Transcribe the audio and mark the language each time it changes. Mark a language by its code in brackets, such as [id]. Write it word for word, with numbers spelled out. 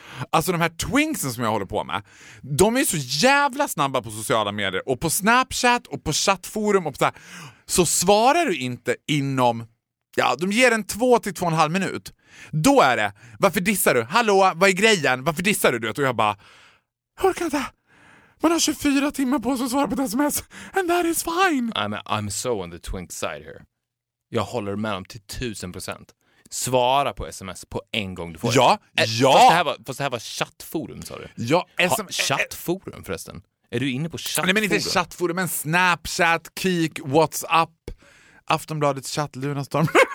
[sv] Alltså de här twinksen som jag håller på med, de är så jävla snabba på sociala medier och på Snapchat och på chattforum och så här. Så svarar du inte inom, ja, de ger en två till två och en halv minut. Då är det, varför dissar du? Hallå, vad är grejen? Varför dissar du? Och jag bara, jag orkar inte. Man har tjugofyra timmar på sig att svara på ett sms. [en] And that is fine. I'm, a, I'm so on the twink side here. [sv] Jag håller med om till tusen procent. Svara på sms på en gång du får. Ja, äh, ja. Fast det här var, fast det här var chattforum, sa du. Ja, ha, chattforum förresten. Är du inne på chattforum? Nej, men inte chattforum, men Snapchat, Kik, WhatsApp, Aftonbladets chatt, Lunarstorm.